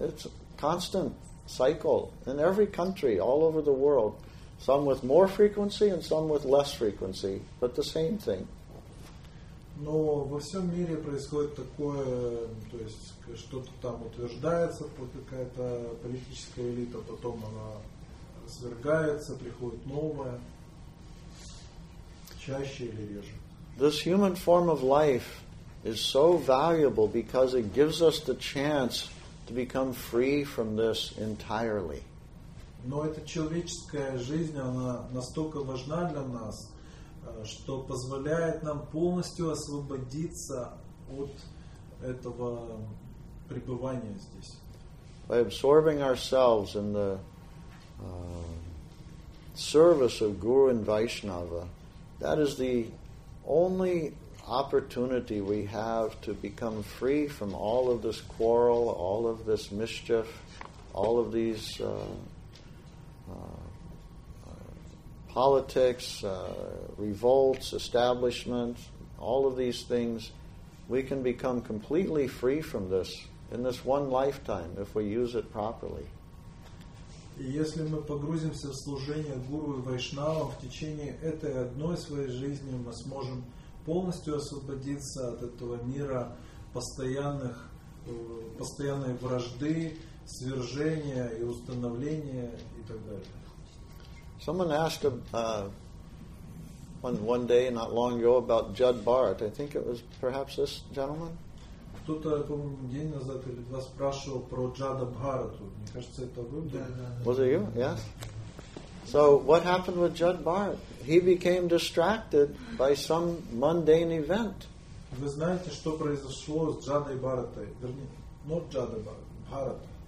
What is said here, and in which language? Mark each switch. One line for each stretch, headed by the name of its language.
English: It's a constant cycle in every country, all over the world, some with more frequency and some with less frequency, but the same thing.
Russian: Но во всем мире происходит такое, то есть что-то там утверждается, какая-то политическая элита, потом она свергается, приходит новое, чаще или реже.
English: This human form of life is so valuable because it gives us the chance to become free from this entirely.
Russian: Но эта человеческая жизнь, она настолько важна для нас, что позволяет нам полностью освободиться от этого пребывания здесь.
English: By absorbing ourselves in the service of Guru and Vaishnava, that is the only opportunity we have to become free from all of this quarrel, all of this mischief, all of these politics, revolts, establishments, all of these things, we can become completely free from this in this one lifetime if we use it properly.
Russian: Если мы погрузимся в служение гуру и вайшнавам в течение этой одной своей жизни, мы сможем полностью освободиться от этого мира постоянной вражды, свержения и установления и так далее.
English: Someone asked one day not long ago about Judd Barrett. I think it was perhaps this gentleman.
Russian: Кто-то, я помню, день назад или два спрашивал про Джада Бхарату. Мне кажется, это вы были.
English: Was it you? Yes. So, what happened with Judd Barrett? He became distracted by some mundane event.
Russian: Вы знаете, что произошло с Джадой Бхаратой? Вернее,
English: not
Russian: Джада Бхарат.